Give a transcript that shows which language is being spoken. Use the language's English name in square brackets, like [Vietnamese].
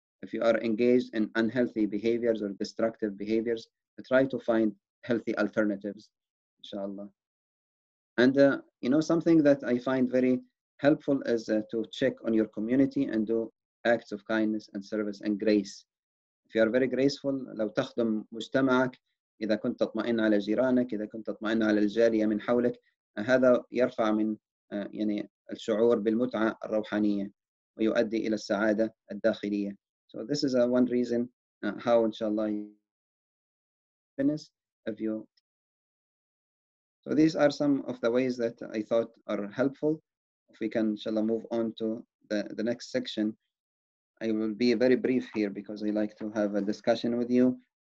[English] If you are engaged in unhealthy behaviors or destructive behaviors, try to find healthy alternatives, inshallah. And something that I find very helpful is to check on your community and do acts of kindness and service and grace. If you are very graceful, [Arabic] لو تخدم مجتمعك, إذا كنت تطمئن على جيرانك, إذا كنت تطمئن على الجالية من حولك, هذا يرفع من الشعور بالمتعة الروحانية ويؤدي إلى السعادة الداخلية. [English] So this is one reason how, inshallah, of you. So these are some of the ways that I thought are helpful. If we can, inshallah, move on to the next section. I will be very brief here because I like to have a discussion with you.